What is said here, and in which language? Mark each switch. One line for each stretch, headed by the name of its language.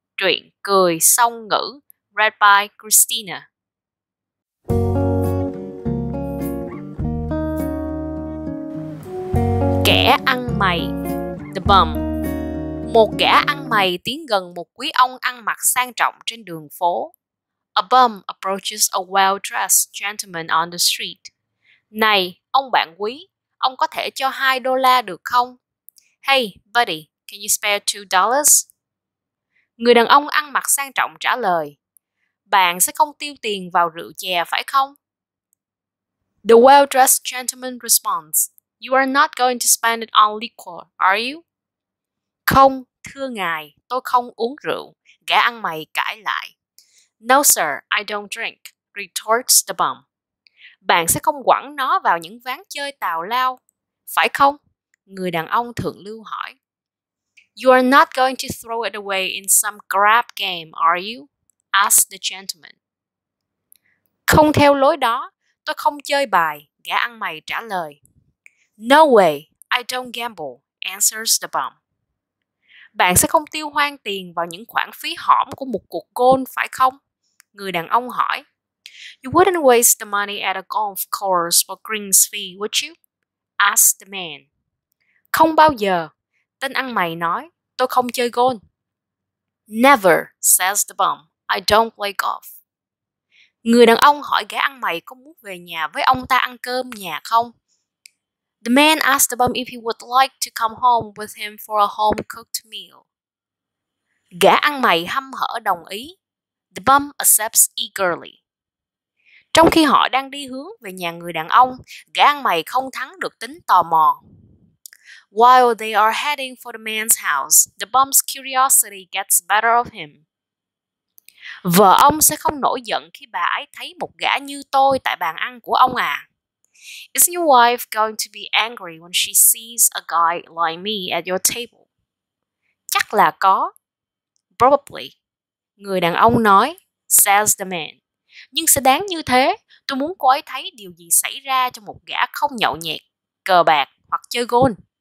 Vietnamese: Truyện cười song ngữ,
English: read by Christina.
Vietnamese: Kẻ ăn mày,
English: the bum.
Vietnamese: Một kẻ ăn mày tiến gần một quý ông ăn mặc sang trọng trên đường phố.
English: A bum approaches a well-dressed gentleman on the street.
Vietnamese: Này, ông bạn quý, ông có thể cho $2 được không?
English: Hey, buddy, can you spare $2?
Vietnamese: Người đàn ông ăn mặc sang trọng trả lời. Bạn sẽ không tiêu tiền vào rượu chè, phải không?
English: The well-dressed gentleman responds. You are not going to spend it on liquor, are you?
Vietnamese: Không, thưa ngài, tôi không uống rượu. Gã ăn mày cãi lại.
English: No, sir, I don't drink, retorts the bum.
Vietnamese: Bạn sẽ không quẳng nó vào những ván chơi tào lao, phải không? Người đàn ông thượng lưu hỏi.
English: You are not going to throw it away in some grab game, are you? Asked the gentleman.
Vietnamese: Không theo lối đó, tôi không chơi bài, gã ăn mày trả lời.
English: No way, I don't gamble, answers the bum.
Vietnamese: Bạn sẽ không tiêu hoang tiền vào những khoản phí hỏm của một cuộc golf, phải không? Người đàn ông hỏi.
English: You wouldn't waste the money at a golf course for greens fee, would you? Asked the man.
Vietnamese: Không bao giờ, tên ăn mày nói, tôi không chơi golf.
English: Never, says the bum, I don't play golf.
Vietnamese: Người đàn ông hỏi gã ăn mày có muốn về nhà với ông ta ăn cơm nhà không?
English: The man asked the bum if he would like to come home with him for a home-cooked meal.
Vietnamese: Gã ăn mày hăm hở đồng ý.
English: The bum accepts eagerly.
Vietnamese: Trong khi họ đang đi hướng về nhà người đàn ông, gã ăn mày không thắng được tính tò mò.
English: While they are heading for the man's house, the bum's curiosity gets better of him.
Vietnamese: Vợ ông sẽ không nổi giận khi bà ấy thấy một gã như tôi tại bàn ăn của ông à.
English: Isn't your wife going to be angry when she sees a guy like me at your table?
Vietnamese: Chắc là có.
English: Probably.
Vietnamese: Người đàn ông nói,
English: says the man.
Vietnamese: Nhưng sẽ đáng như thế, tôi muốn cô ấy thấy điều gì xảy ra cho một gã không nhậu nhẹt, cờ bạc hoặc chơi golf.